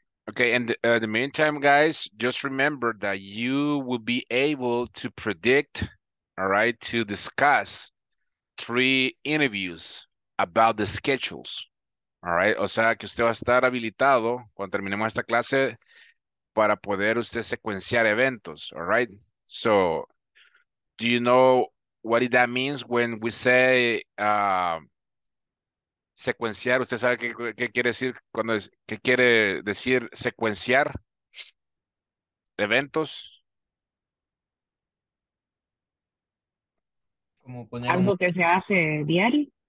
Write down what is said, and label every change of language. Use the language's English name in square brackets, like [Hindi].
[English] Okay, and in the meantime, guys, just remember that you will be able to predict, all right, to discuss three interviews about the schedules, all right? [Spanish] O sea, que usted va a estar habilitado cuando terminemos esta clase para poder usted secuenciar eventos, [English] all right? So, do you know what that means when we say secuenciar? [Spanish] ¿Usted sabe qué quiere decir cuando es, qué quiere decir secuenciar eventos? Como poner algo un... que se hace diario.